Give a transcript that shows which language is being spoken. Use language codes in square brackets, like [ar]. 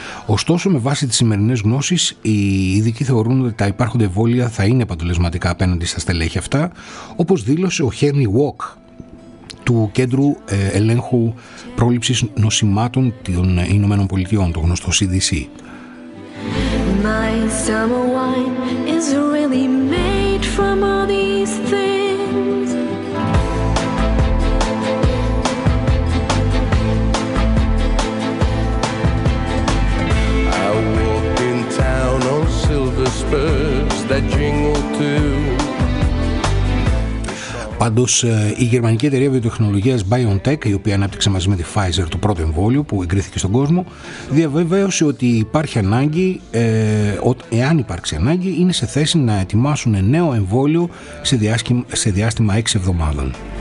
[el] Ωστόσο, με βάση τις σημερινές γνώσεις, οι ειδικοί θεωρούν ότι τα υπάρχοντα εμβόλια θα είναι αποτελεσματικά απέναντι στα στελέχη αυτά, όπως δήλωσε ο Χένρι Βοκ του Κέντρου Ελέγχου Πρόληψης Νοσημάτων των Ηνωμένων Πολιτειών, το γνωστό CDC. [en] My summer wine is really made from all these things. I walk in town on silver spurs that jingle too. [el] Πάντως, η γερμανική εταιρεία βιοτεχνολογίας BioNTech, η οποία ανάπτυξε μαζί με τη Pfizer το πρώτο εμβόλιο που εγκρίθηκε στον κόσμο, διαβεβαίωσε ότι υπάρχει ανάγκη, εάν υπάρξει ανάγκη, είναι σε θέση να ετοιμάσουν νέο εμβόλιο σε διάστημα 6 εβδομάδων.